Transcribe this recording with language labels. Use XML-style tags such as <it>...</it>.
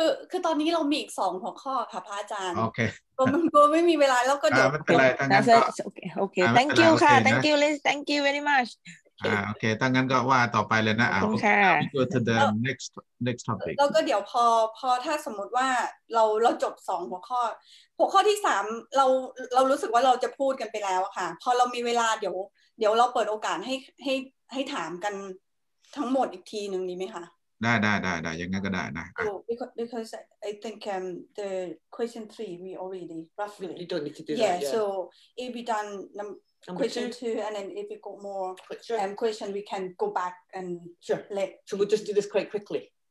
<th>คือตอนนี้เรามีอีก2หัวข้อค่ะพระอาจารย์โอเค ก็ไม่มีเวลาแล้วก็เดี๋ยวไม่เป็นไรทั้งนั้นก็ โอเคโอเค</th> <en>thank you ค่ะ thank you Liz thank you very much</en> <th>โอเคทั้งนั้นก็ว่าต่อไปเลยนะ โอเค</th> <en>go to the next topic</en> <th>แล้วก็เดี๋ยวพอถ้าสมมติว่าเราจบ2หัวข้อที่3เรารู้สึกว่าเราจะพูดกันไปแล้วค่ะพอเรามีเวลาเดี๋ยวเราเปิดโอกาสให้ถามกันทั้งหมดอีกทีนึงดีมั้ยคะ ได้ยังไงก็ได้นะ</th> <en>because I think the question 3 we already roughly you don't need to do that so if we done number question 2 and then if we got more question we can go back and sure let so we'll just do this quite quickly</en>